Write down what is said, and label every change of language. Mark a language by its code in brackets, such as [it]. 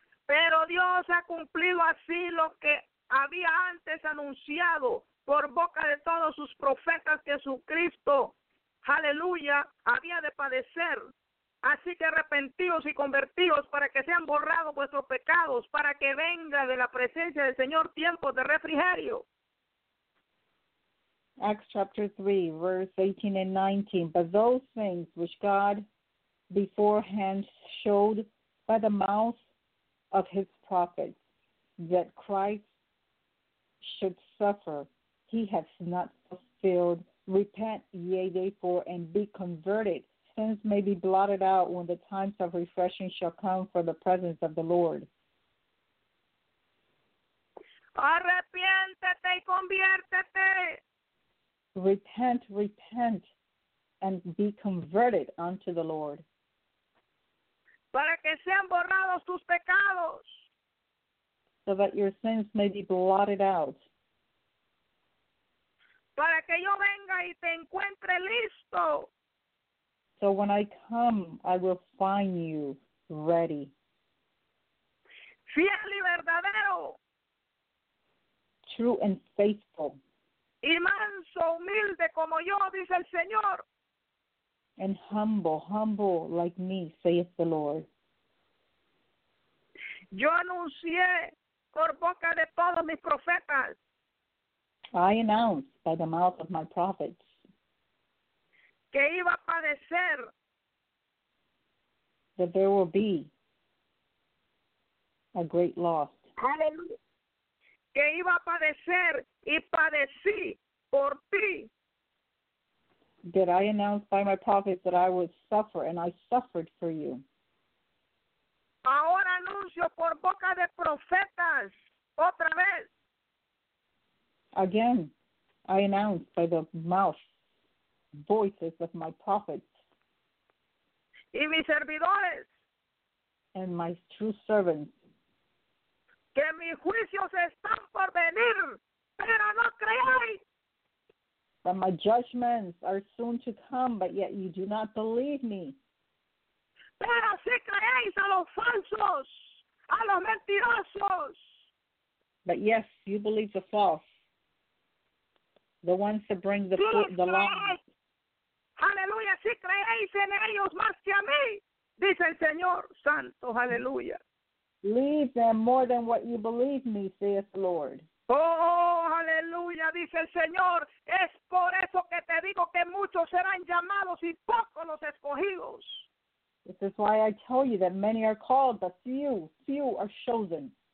[es] Pero Dios ha cumplido así lo que había antes anunciado por boca de todos sus profetas, Jesucristo, aleluya, había de padecer. Así que arrepentidos y convertidos para que sean borrados vuestros pecados, para que venga de la presencia del Señor tiempo de refrigerio. [en] Acts chapter 3, verse 18 and 19. But those things which God beforehand showed by the mouth of his prophets, that Christ should suffer, he hath not fulfilled. Repent, yea, therefore, and be converted. Sins may be blotted out when the times of refreshing shall come from the presence of the Lord. [es] Arrepiéntete y conviértete. [en] Repent, repent, and be converted unto the Lord. [es] Para que sean borrados tus pecados. [en] So that your sins may be blotted out. [es] Para que yo venga y te encuentre listo. [en] So when I come, I will find you ready. [es] Fiel y verdadero. [en] True and faithful. [es] Y manso, humilde como yo, dice el Señor. [en] And humble, humble like me, saith the Lord. [es] Yo anuncié por boca de todos mis profetas. [en] I announced by the mouth of my prophets. [es] Que iba a padecer. [en] That there will be a great loss. Hallelujah. [es] Que iba a padecer y padecí por ti. [en] That I announced by my prophets that I would suffer, and I suffered for you. [es] Ahora anuncio por boca de profetas otra vez. [en] Again, I announced by the mouth. Voices of my prophets [es] y mis servidores, [en] and my true servants, [es] que mis juicios están por venir, pero no creáis. [en] That my judgments are soon to come, but yet you do not believe me. [es] Pero si creáis a los falsos, a los mentirosos. [en] But yes, you believe the false, the ones that bring the lies. [es] Aleluya, si creéis en ellos más que a mí, dice el Señor Santo, aleluya. [en] Leave them more than what you believe me, saith the Lord. [es] Oh, aleluya, dice el Señor. Es por eso que te digo que muchos serán llamados y pocos los escogidos. [en] This is why I tell you that many are called, but few are chosen.